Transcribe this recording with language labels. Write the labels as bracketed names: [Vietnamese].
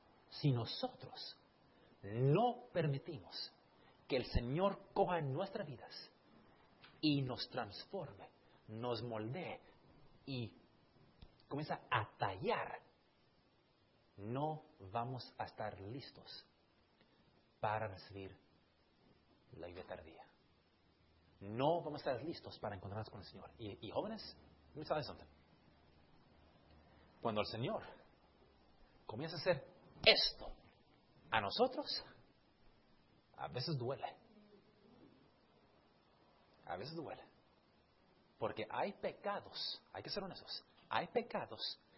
[Spanish] Si nosotros no permitimos que el Señor coja nuestras vidas y nos transforme, nos moldee y comienza a tallar, no vamos a estar listos para recibir la lluvia tardía. No vamos a estar listos para encontrarnos con el Señor. Y jóvenes, [English] let me tell you something. [Spanish] Cuando el Señor comienza a hacer esto a nosotros, a veces duele. A veces duele. Porque hay pecados, hay que ser honestos, hay pecados